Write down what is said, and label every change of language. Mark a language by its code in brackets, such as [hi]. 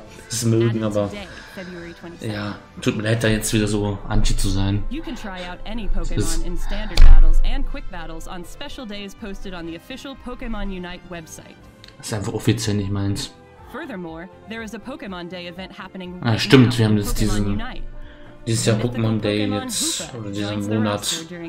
[de] Das mögen, aber... Ja, tut mir leid, da jetzt wieder so anti zu sein. [en] You can try out any Pokémon in standard battles and quick battles on special days posted on the official Pokémon Unite website. [de] Das ist einfach offiziell nicht meins. [en] Furthermore, there is a Pokémon Day event happening. [de] Ah, stimmt, wir haben jetzt dieses Jahr Pokémon Day jetzt oder diesen Monat.